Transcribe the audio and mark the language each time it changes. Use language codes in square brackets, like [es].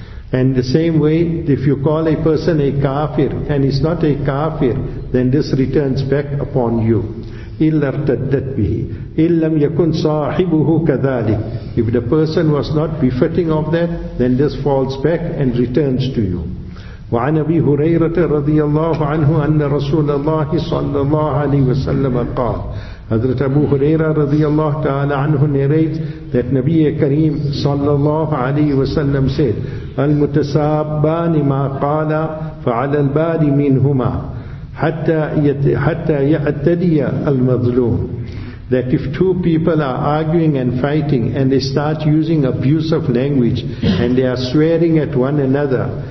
[en] And the same way, if you call a person a kafir, and he's not a kafir, then this returns back upon you. [ar] إِلَّا ارْتَدَّتْ بِهِ إِلَّمْ يَكُنْ صَاحِبُهُ كَذَلِكَ. [en] If the person was not befitting of that, then this falls back and returns to you. [ar] وعن أبي هريرة رضي الله عنه أن رسول الله صلى الله عليه وسلم قال. Hazrat Abu Huraira رضي الله تعالى عنه [en] narrates that [ar] نبي كريم صلى الله عليه وسلم [en] said [ar] المتسابان ما قال فعلى البال منهما حتى يعتدي المظلوم. [en] That if two people are arguing and fighting, and they start using abusive language, and they are swearing at one another,